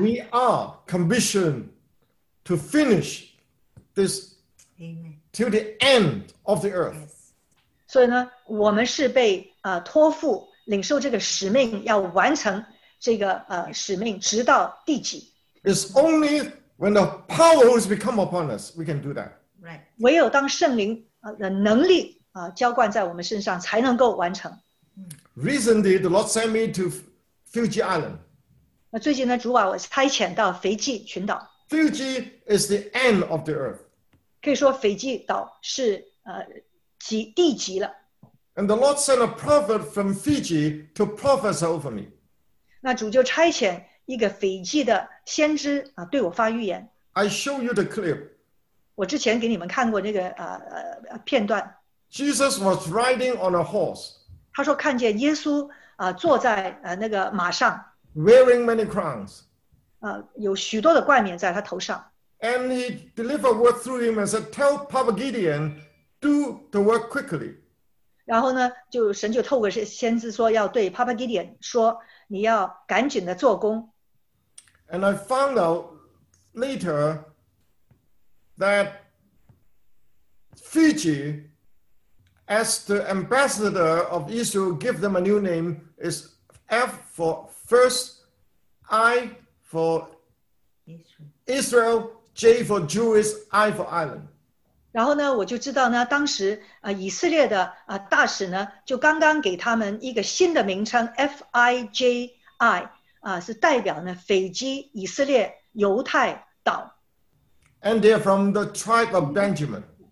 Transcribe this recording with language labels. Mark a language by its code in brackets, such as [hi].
[en] We are commissioned to finish this. Amen. To the end of the earth. Yes. [zh] 所以呢, 我们是被, 托付, 领受这个使命, 要完成这个, 使命, 直到地极。 [en] It's only when the power has become upon us, we can do that. Right. [zh] 唯有当圣灵, 的能力, 浇灌在我们身上, 才能够完成。 [en] Recently, the Lord sent me to Fiji Island. [zh] 最近呢, 主啊, 我差遣到斐济群岛。 [en] Fiji is the end of the earth. [zh] 可以说斐济岛是, 地极了。 [en] And the Lord sent a prophet from Fiji to prophesy over me. [zh] 那主就差遣一个斐济的先知, 对我发预言。 [en] I show you the clip. [zh] 我之前给你们看过那个, 片段。 [en] Jesus was riding on a horse. [zh] 他说看见耶稣, 坐在, 那个马上。 [en] Wearing many crowns. [zh] 有许多的冠冕在他头上。 [en] And he delivered word through him and said, tell Papa Gideon, do the work quickly. [zh] 然后呢, 就神就透过先知说要对 Papa Gideon说, 你要赶紧的做工。 [en] And I found out later that Fiji, as the ambassador of Israel, give them a new name, is F for first, I for Israel, J for Jewish, I for Island. [zh] 然后呢, 我就知道呢, 当时, 以色列的, 大使呢, 就刚刚给他们一个新的名称, F-I-J-I, 是代表呢, 斐济, 以色列, 犹太岛。 [en] And they're from the tribe of Benjamin.